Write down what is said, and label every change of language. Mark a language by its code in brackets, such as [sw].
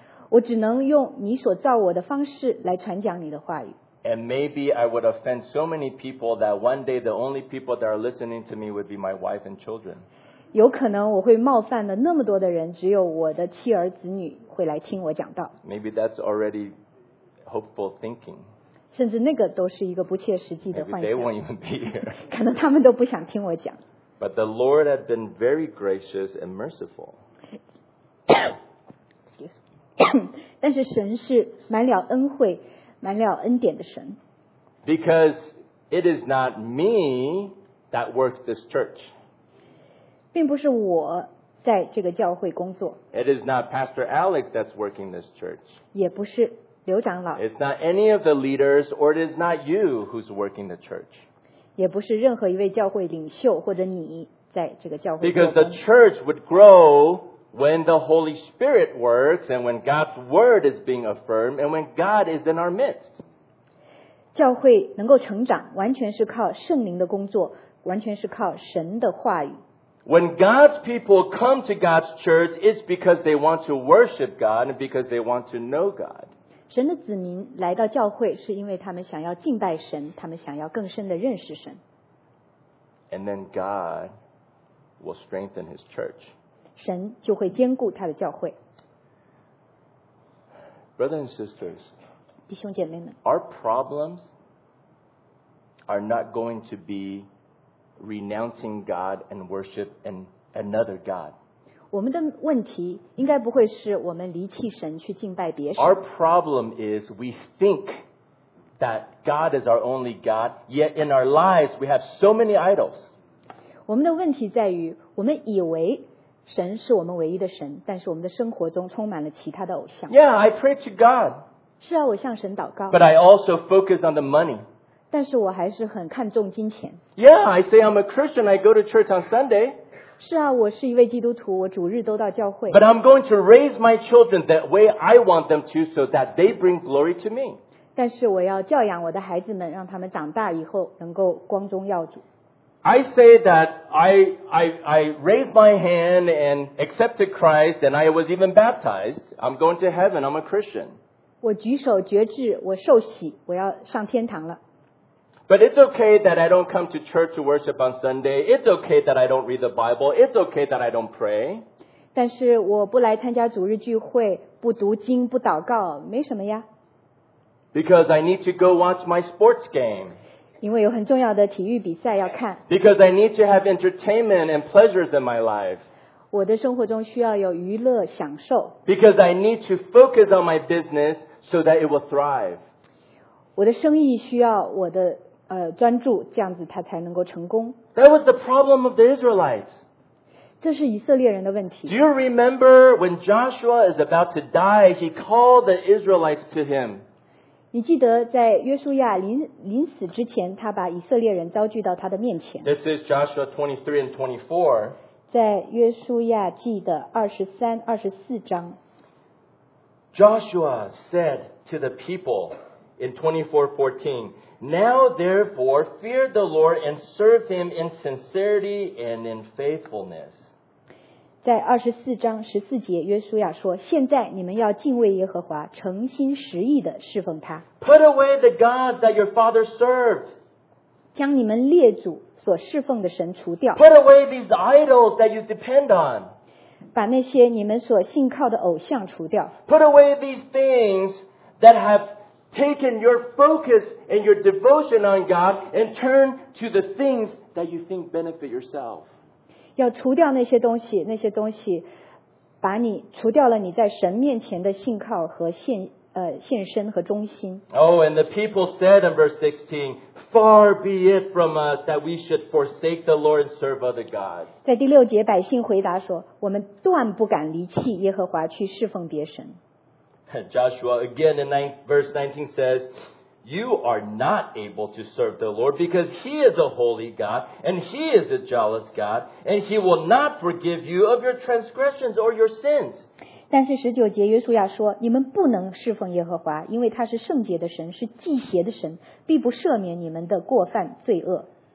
[zh] 我只能用你所造我的方式来传讲你的话语 [en] And maybe I would offend so many people that one day the only people that are listening to me would be my wife and children [zh] 有可能我会冒犯了那么多的人，只有我的妻儿子女会来听我讲道。 [en] Maybe that's already hopeful thinking. [zh] 甚至那个都是一个不切实际的幻想。 [en] Maybe they won't even be here. [zh] 可能他们都不想听我讲。 [en] But the Lord had been very gracious and merciful. Excuse me. [zh] 但是神是满了恩惠、满了恩典的神。 [en] Because it is not me that works this church. [zh] 并不是我在这个教会工作。 [en] It is not Pastor Alex that's working this church. [zh] 也不是刘长老。 [en] It's not any of the leaders, or it is not you who's working the church. [zh] 也不是任何一位教会领袖或者你在这个教会。 [en] Because the church would grow when the Holy Spirit works, and when God's word is being affirmed, and when God is in our midst. [zh] 教会能够成长，完全是靠圣灵的工作，完全是靠神的话语。 [en] When God's people come to God's church, it's because they want to worship God and because they want to know God. [zh] 神的子民来到教会是因为他们想要敬拜神，他们想要更深的认识神。 [en] And then God will strengthen his church. [zh] 神就会坚固他的教会。 [en] Brothers and sisters, [zh] 弟兄姐妹们， [en] our problems are not going to be renouncing God and worship and another God. [zh] 我们的问题应该不会是我们离弃神去敬拜别神。 [en] Our problem is we think that God is our only God, yet in our lives we have so many idols. [zh] 我们的问题在于我们以为神是我们唯一的神，但是我们的生活中充满了其他的偶像。 [en] Yeah, I pray to God. [zh] 是啊，我向神祷告。 [en] But I also focus on the money. [zh] 但是我还是很看重金钱。 [en] Yeah, I say I'm a Christian, I go to church on Sunday. [zh] 是啊，我是一位基督徒，我主日都到教会。 [en] But I'm going to raise my children that way I want them to, so that they bring glory to me. [zh] 但是我要教养我的孩子们，让他们长大以后能够光宗耀祖。 [en] I say that I raised my hand and accepted Christ, and I was even baptized. I'm going to heaven, I'm a Christian. [zh] 我举手决志，我受洗，我要上天堂了。 [en] But it's okay that I don't come to church to worship on Sunday. It's okay that I don't read the Bible. It's okay that I don't pray. [zh] 但是我不来参加主日聚会，不读经，不祷告，没什么呀。 [en] Because I need to go watch my sports game. [zh] 因为有很重要的体育比赛要看。 [en] Because I need to have entertainment and pleasures in my life. [zh] 我的生活中需要有娱乐享受。 [en] Because I need to focus on my business so that it will thrive. [zh] 我的生意需要我的专注，这样子他才能够成功。 [en] That was the problem of the Israelites. [zh] 这是以色列人的问题。 [en] Do you remember when Joshua is about to die, he called the Israelites to him? [zh] 你记得在约书亚临死之前，他把以色列人召聚到他的面前。 [en] This is Joshua 23 and 24. [zh] 在约书亚记的23、24章。 [en] Joshua said to the people in 24:14,Now therefore fear the Lord and serve him in sincerity and in faithfulness. [zh] 在24章14节，约书亚说，现在你们要敬畏耶和华，诚心实意地侍奉他。 [en] Put away the gods that your father served. [zh] 将你们列祖所侍奉的神除掉。 [en] Put away these idols that you depend on. [zh] 把那些你们所信靠的偶像除掉。 [en] Put away these things that have taken your focus and your devotion on God and turn to the things that you think benefit yourself. [zh] 要除掉那些东西，那些东西把你除掉了你在神面前的信靠和献身和忠心。 [en] Oh, and the people said in verse 16, far be it from us that we should forsake the Lord and serve other gods. [zh] 在第六节，百姓回答说，我们断不敢离弃耶和华去侍奉别神。 [en] Joshua again in verse 19 says, You are not able to serve the Lord because He is a holy God and He is a jealous God and He will not forgive you of your transgressions or your sins. [zh] 但是十九节约书亚说，你们不能侍奉耶和华，因为他是圣洁的神，是祭邪的神，必不赦免你们的过犯罪恶。